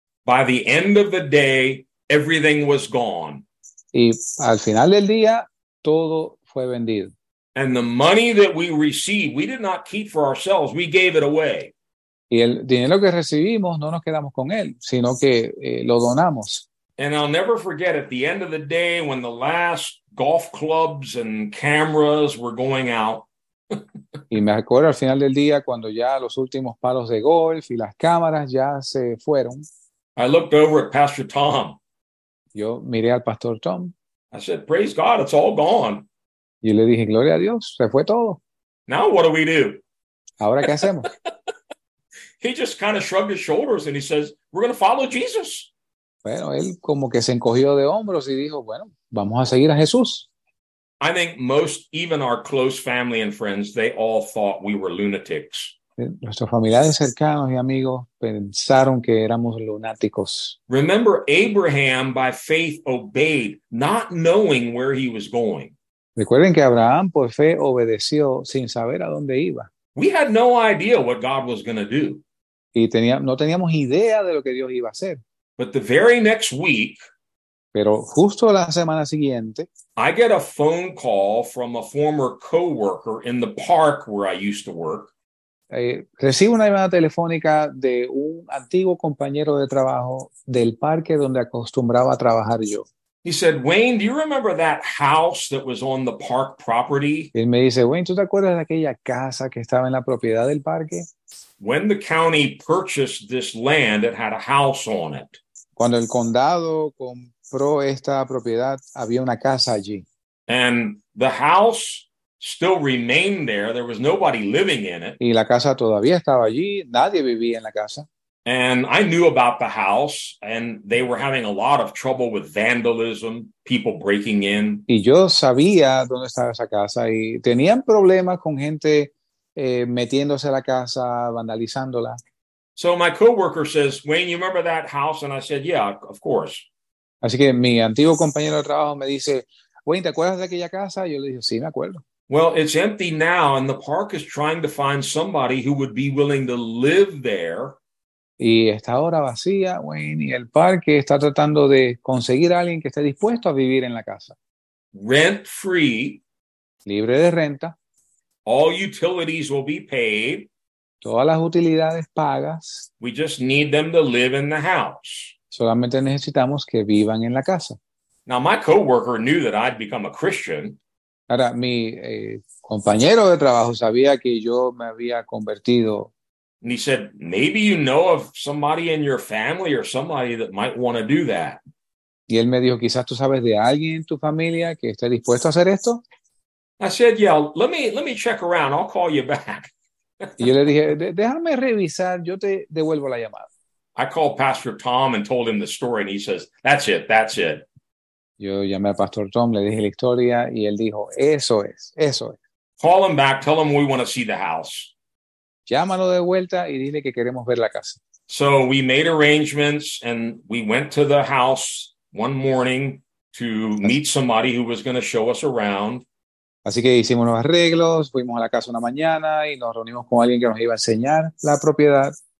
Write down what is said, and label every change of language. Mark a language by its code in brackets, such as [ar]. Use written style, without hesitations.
[en] By the end of the day, everything was gone. [es] Y al final del día, todo fue vendido. [en] And the money that we received, we did not keep for ourselves, we gave it away. [es] Y el dinero que recibimos, no nos quedamos con él, sino que lo donamos. [en] And I'll never forget at the end of the day when the last golf clubs and cameras were going out. [es] Y me acuerdo al final del día cuando ya los últimos palos de golf y las cámaras ya se fueron. [en] I looked over at Pastor Tom. [es] Yo miré al Pastor Tom. [en] I said, praise God, it's all gone. [es] Y le dije, gloria a Dios, se fue todo. [en] Now what do we do? [es] ¿Ahora qué hacemos? [en] He just kind of shrugged his shoulders and he says, we're going to follow Jesus. [es] Bueno, él como que se encogió de hombros y dijo, bueno, vamos a seguir a Jesús. [en] I think most, even our close family and friends, they all thought we were lunatics. [es] Nuestros familiares cercanos y amigos pensaron que éramos lunáticos. [en] Remember, Abraham by faith obeyed, not knowing where he was going. [es] Recuerden que Abraham por fe obedeció sin saber a dónde iba. [en] We had no idea what God was going to do. [es] Y no teníamos idea de lo que Dios iba a hacer. [en] But the very next week, [es] pero justo la semana siguiente, [en] I get a phone call from a former coworker in the park where I used to work. [es] Recibo una llamada telefónica de un antiguo compañero de trabajo del parque donde acostumbraba a trabajar yo. [en] He said, Wayne, do you remember that house that was on the park property? [es] Él me dice, Wayne, ¿tú te acuerdas de aquella casa que estaba en la propiedad del parque? [en] When the county purchased this land, it had a house on it. [es] Cuando el condado compró esta propiedad, había una casa allí. [en] And the house still remained there. There was nobody living in it. [es] Y la casa todavía estaba allí. Nadie vivía en la casa. [en] And I knew about the house, and they were having a lot of trouble with vandalism, people breaking in. [es] Y yo sabía dónde estaba esa casa, y tenían problemas con gente metiéndose a la casa, vandalizándola. [en] So my coworker says, Wayne, you remember that house? And I said, yeah, of course. [es] Así que mi antiguo compañero de trabajo me dice, Wayne, ¿te acuerdas de aquella casa? Y yo le dije, sí, me acuerdo. [en] Well, it's empty now, and the park is trying to find somebody who would be willing to live there. [es] Y está ahora vacía, Wayne, y el parque está tratando de conseguir a alguien que esté dispuesto a vivir en la casa. [en] Rent free. [es] Libre de renta. [en] All utilities will be paid. [es] Todas las utilidades pagas. [en] We just need them to live in the house. [es] Solamente necesitamos que vivan en la casa. [en] Now, my coworker knew that I'd become a Christian. [es] Ahora, mi compañero de trabajo sabía que yo me había convertido. [en] And he said, maybe you know of somebody in your family or somebody that might want to do that. [es] Y él me dijo, quizás tú sabes de alguien en tu familia que esté dispuesto a hacer esto. [en] I said, yeah, let me check around. I'll call you back. [es] Y yo le dije, déjame revisar, yo te devuelvo la llamada. [en] I called Pastor Tom and told him the story, and he says, that's it, that's it. [es] Yo llamé a Pastor Tom, le dije la historia, y él dijo, eso es, eso es. [en] Call him back, tell him we want to see the house. [es] Llámalo de vuelta y dile que queremos ver la casa. [en] So we made arrangements, and we went to the house one morning to meet somebody who was going to show us around. [es] Así que hicimos los arreglos, fuimos a la casa una mañana y nos reunimos con alguien que nos iba a enseñar la propiedad.